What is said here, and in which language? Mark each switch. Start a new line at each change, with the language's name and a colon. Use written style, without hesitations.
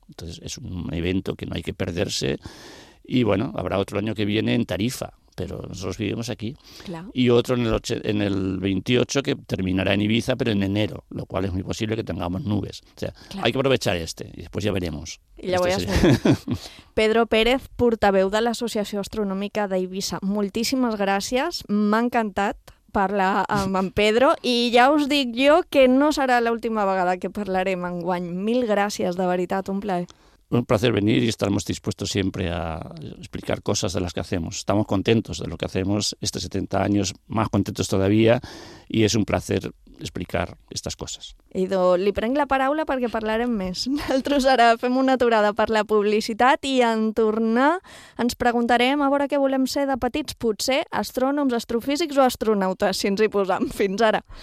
Spanish: Entonces es un evento que no hay que perderse y bueno, habrá otro año que viene en Tarifa, pero nosotros vivimos aquí. Claro. Y otro en el 28 que terminará en Ibiza, pero en enero, lo cual es muy posible que tengamos nubes. O sea, claro, hay que aprovechar este y después ya veremos. Y ya voy a saber.
Catalan: Pedro Pérez, portaveu de l'Associació Astronòmica d'Eivissa, moltíssimes gràcies, m'ha encantat parlar amb en Pedro i ja us dic jo que no serà l'última vegada que parlarem enguany. Mil gràcies, de veritat, un plaer.
Spanish: Un placer venir y estaremos dispuestos siempre a explicar cosas de las que hacemos. Estamos contentos de lo que hacemos, estos 70 años, más contentos todavía, y es un placer explicar estas cosas.
Catalan: Idò, li prenc la paraula perquè parlarem més. Nosaltres ara fem una aturada per la publicitat i en tornar ens preguntarem a veure què volem ser de petits, potser astrònoms, astrofísics o astronautes, si ens hi posam. Fins ara.